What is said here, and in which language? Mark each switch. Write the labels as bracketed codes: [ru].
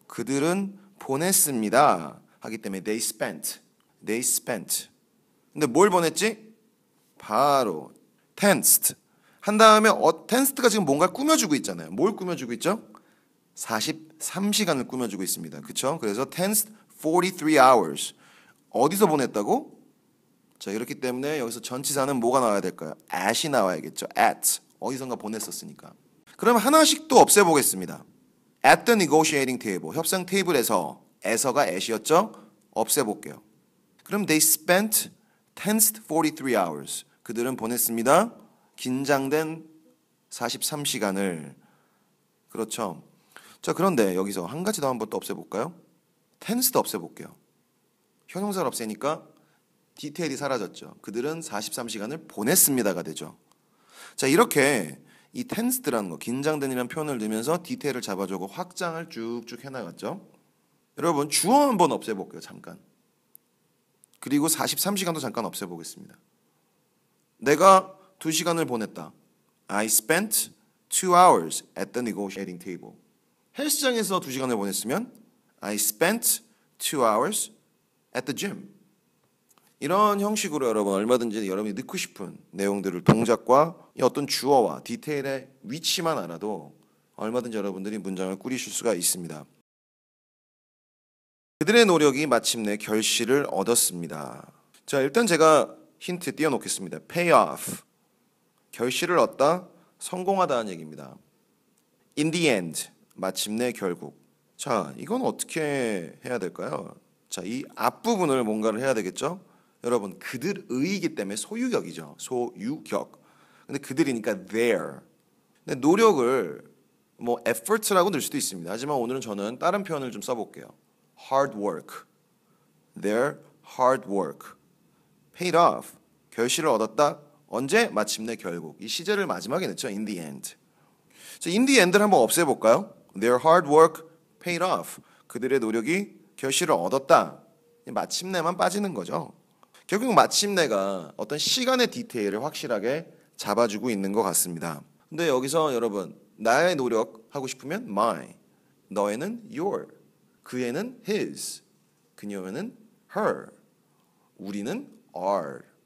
[ko] 그들은 보냈습니다 하기 때문에 [en] they spent, they spent. [ko] 근데 뭘 보냈지? 바로 tensed. 한 다음에 tensed가 지금 뭔가 꾸며주고 있잖아요. 뭘 꾸며주고 있죠? 43시간을 꾸며주고 있습니다. 그렇죠? 그래서 [en] tensed 43 hours. [ko] 어디서 보냈다고? 자, 그렇기 때문에 여기서 전치사는 뭐가 나와야 될까요? at이 나와야겠죠. at. 어디선가 보냈었으니까. 그럼 하나씩 또 없애보겠습니다. [en] at the negotiating table. [ko] 협상 테이블에서 에서가 at이었죠? 없애볼게요. 그럼 [en] they spent tensed 43 hours. [ko] 그들은 보냈습니다. 긴장된 43시간을. 그렇죠. 자, 그런데 여기서 한 가지 더 한번 또 없애볼까요? tensed 없애볼게요. 형용사를 없애니까 디테일이 사라졌죠. 그들은 43시간을 보냈습니다가 되죠. 자, 이렇게 이 tensed라는 거, 긴장된이라는 표현을 넣으면서 디테일을 잡아주고 확장을 쭉쭉 해나갔죠. 여러분, 주어 한번 없애볼게요, 잠깐. 그리고 43시간도 잠깐 없애보겠습니다. 내가 2시간을 보냈다. [en] I spent 2 hours at the negotiating table. [ko] 헬스장에서 2시간을 보냈으면 [en] I spent 2 hours at the gym. [ko] 이런 형식으로 여러분 얼마든지 여러분이 넣고 싶은 내용들을 동작과 이 어떤 주어와 디테일의 위치만 알아도 얼마든지 여러분들이 문장을 꾸리실 수가 있습니다. 그들의 노력이 마침내 결실을 얻었습니다. 자, 일단 제가 힌트 띄워놓겠습니다. Pay off. 결실을 얻다, 성공하다는 얘기입니다. In the end, 마침내 결국. 자, 이건 어떻게 해야 될까요? 자, 이 앞부분을 뭔가를 해야 되겠죠? 여러분, 그들의이기 때문에 소유격이죠. 소유격. 근데 그들이니까 there. 근데 노력을 뭐 effort라고 넣을 수도 있습니다. 하지만 오늘은 저는 다른 표현을 좀 써볼게요. [en] Hard work. Their hard work. Paid off. [ko] 결실을 얻었다. 언제? 마침내 결국. 이 시제를 마지막에 넣죠. [en] In the end. [ko] 자, in the end를 한번 없애볼까요? [en] Their hard work paid off. [ko] 그들의 노력이 결실을 얻었다. 마침내만 빠지는 거죠. 결국 마침내가 어떤 시간의 디테일을 확실하게 잡아주고 있는 것 같습니다. 근데 여기서 여러분, 나의 노력하고 싶으면 my, 너에는 your, 그에는 his, 그녀에는 her, 우리는 our.